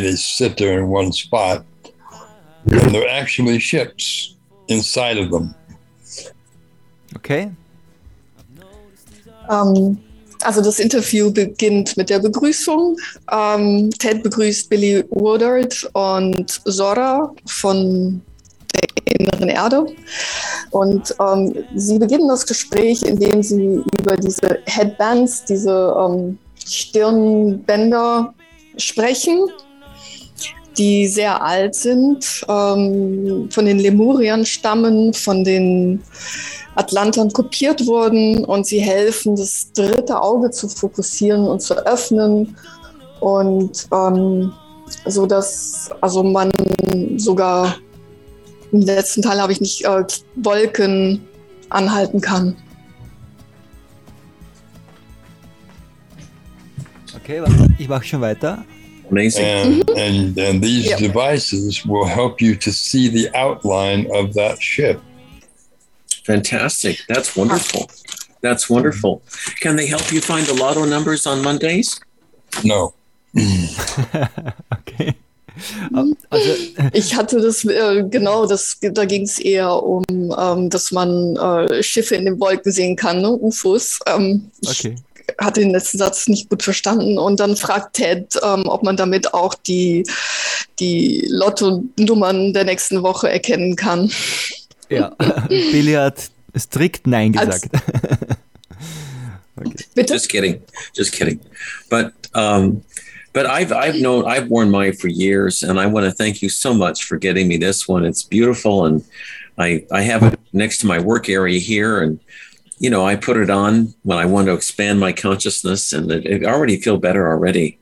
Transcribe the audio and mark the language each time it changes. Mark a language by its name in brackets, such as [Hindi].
[English] They sit there in one spot. And they're actually ships inside of them. Okay. [German] Also das Interview beginnt mit der Begrüßung. Ted begrüßt Billy Woodard und Zora von der inneren Erde. Und sie beginnen das Gespräch, indem sie über diese Headbands, diese Stirnbänder sprechen, die sehr alt sind, von den Lemuriern stammen, von den Atlantern kopiert wurden und sie helfen, das dritte Auge zu fokussieren und zu öffnen und so dass also man sogar im letzten Teil habe ich nicht Wolken anhalten kann. Okay, warte, ich mache schon weiter. [English] Amazing. And these yep. devices will help you to see the outline of that ship. Fantastic. That's wonderful. That's wonderful. Can they help you find the lotto numbers on Mondays? No. Okay. [German] Also, ich hatte das, genau, das, da ging es eher um, dass man Schiffe in den Wolken sehen kann, ne? UFOs. Okay. Hatte den letzten Satz nicht gut verstanden. Und dann fragt Ted, ob man damit auch die Lotto-Nummern der nächsten Woche erkennen kann. Ja, Billy hat strikt Nein gesagt. [English] Okay. [German] Bitte? [English] Just kidding. But I've worn mine for years, and I want to thank you so much for getting me this one. It's beautiful, and I have it next to my work area here, and you know, I put it on when I want to expand my consciousness, and I already feel better already.